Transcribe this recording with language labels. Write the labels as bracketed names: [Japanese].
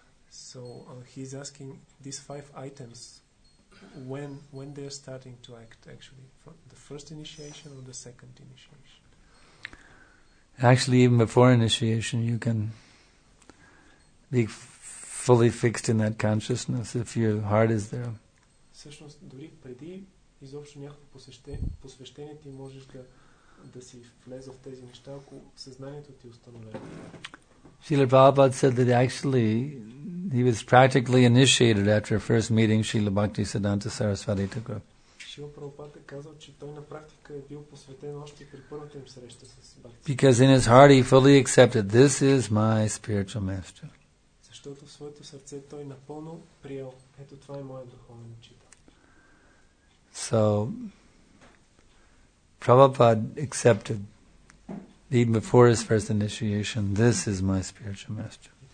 [English] So he's asking these five items, when they're starting to act actually, from the first initiation or the second initiation? Actually, even before initiation, you can be fully fixed in that consciousness if your heart is there. [Bulgarian] Всъщност, дори преди изобщо някакво посвещение ти можеш да си влезе в тези неща, ако съзнанието ти установи. [English] Srila Prabhupada said that actually he was practically initiated after a first meeting Srila Bhakti Siddhanta Sarasvati Thakur. [Bulgarian] Srila Prabhupada казал, че той на практика е бил посветен още при първата им среща с Бхакти. [English] Because in his heart he fully accepted, this is my spiritual master. [Bulgarian] Защото в своето сърце той напълно приел, ето това е моят духовен учител. [English] So, Prabhupada accepted, even before his first initiation, this is my spiritual master.